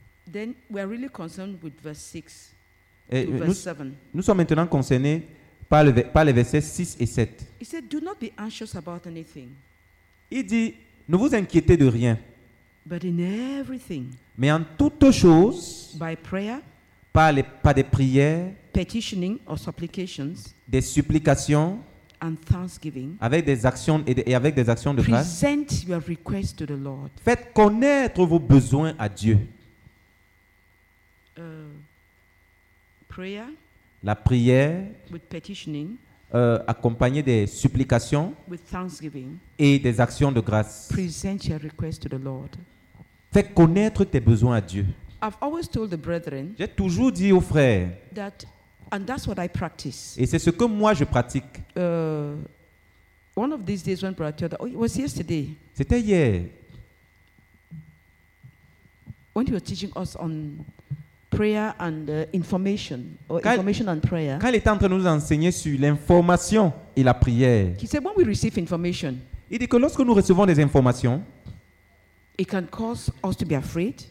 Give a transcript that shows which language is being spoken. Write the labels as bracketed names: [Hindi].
[English] Then we are really concerned with verse 6 to verse 7. [French] Nous sommes maintenant concernés par les versets 6 et 7. [English] He said, do not be anxious about anything. [French] Il dit, ne vous inquiétez de rien. [English] But in everything, [French] mais en toute chose, [English] by prayer, [French] par des prières, [English] petitioning or supplications, [French] des supplications, [English] and thanksgiving, [French] avec des actions et avec des actions de grâce, [English] present your request to the Lord. [French] Faites connaître vos besoins à Dieu. [English] Prayer, [French] la prière [English] with petitioning, [French] accompagnée des supplications [English] with thanksgiving, [French] et des actions de grâce. [English] Present your request to the Lord. [French] Fais connaître tes besoins à Dieu. [English] I've always told the brethren, [French] j'ai toujours dit aux frères [English] that, and that's what I practice. [French] Et c'est ce que moi je pratique. [English] One of these days when brother, oh, it was yesterday. [French] C'était hier. [English] When he was teaching us on prayer and information, or [French] quand, [English] information and prayer. [French] Quand il était en train de nous enseigner sur l'information et la prière, [English] he said, when we receive information, [French] Il dit que lorsque nous recevons des informations, [English] it can cause us to be afraid.